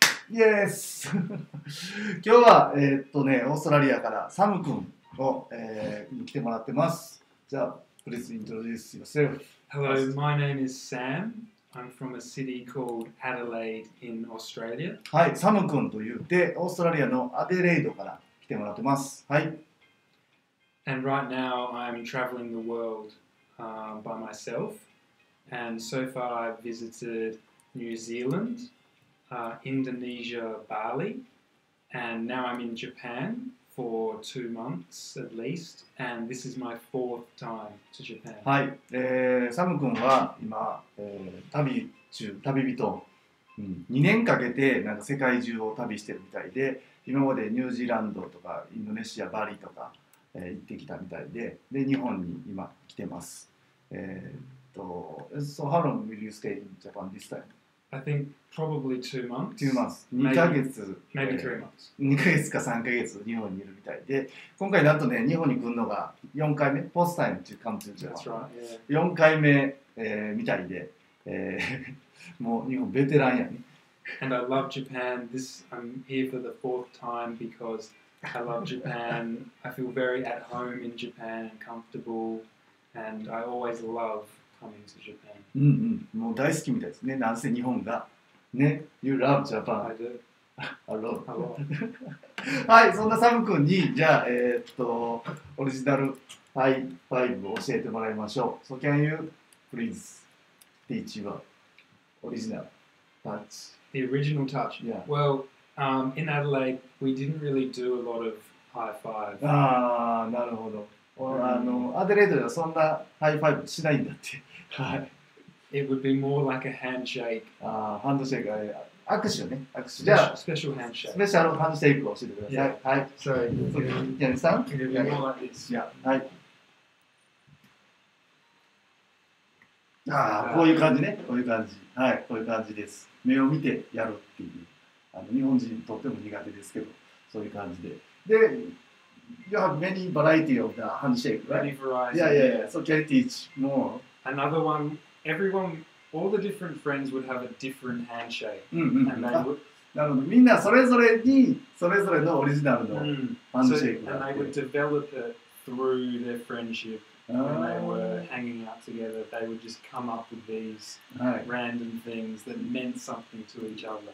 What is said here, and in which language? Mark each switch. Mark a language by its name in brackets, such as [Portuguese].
[Japanese] イエース今日は、オーストラリアからサムくんを、来てもらってます。 [English] じゃあ、Please introduce yourself. Hello, my name is Sam. I'm from a city called Adelaide in Australia. [Japanese] はい、サムくんと言って、オーストラリアのアデレードから来てもらってます。はい。 [English] And right now, I'm traveling the world、by myself. And so far, I've visited New Zealand,Indonesia, Bali, and now I'm in Japan for 2 months at least, and this is my fourth time to Japan. [Japanese] はい、サム君は今、旅人、うん、2年かけてなんか世界中を旅してるみたいで、今までニュージーランドとかインドネシア、バリとか、行ってきたみたいで、で日本に今来てます。 [English] So how long will you stay in Japan this time? I think probably 2 months. 2 months. 2ヶ月. Maybe 3 months. [Japanese] 2ヶ月か3ヶ月日本にいるみたいで、今回なんとね、日本に来るのが4回目、ポストタイムというカウントじゃん。 [English] That's right. [Japanese] 4回目、みたいで、もう日本ベテランやね。 [English] And I love Japan. This, I'm here for the fourth time because I love Japan. I feel very at home in Japan and comfortable. And I always love. [Japanese] うんうん、もう大好きみたいですね。なんせ日本が。 [English] ね。You love Japan. I do. Hello. Hello. [Japanese] はい、そんなサム君に、じゃあ、オリジナルハイファイブを教えてもらいましょう。 [English] So can you please teach you original touch? The original touch? Yeah. Well,、in Adelaide, we didn't really do a lot of high five. [Japanese] あー、なるほど。アデレードではそんなハイファイブしないんだって。はい。 [English] It would be more like a handshake. [Japanese] ハンドシェイク。握手ね。握手。じゃあ、スペシャルハンドシェイク。スペシャルハンドシェイクを教えてください。 [English] Yeah. [Japanese] はい。 [English] Sorry. [Japanese] ヤネさん [English] It would be more like this. Yeah. はい。 [Japanese] こういう感じね。こういう感じ。はい。こういう感じです。目を見てやるっていう。日本人とっても苦手ですけど、そういう感じで。 [English] で、You have many variety of the handshake, right? Many varieties. Yeah, yeah, yeah. So can you teach more? Another one, everyone, all the different friends would have a different handshake. [Japanese] なるほど。みんなそれぞれに、それぞれのオリジナルのハンドシェイク。 [English] And they would develop it through their friendship. When they were hanging out together, they would just come up with these random things that meant something to each other.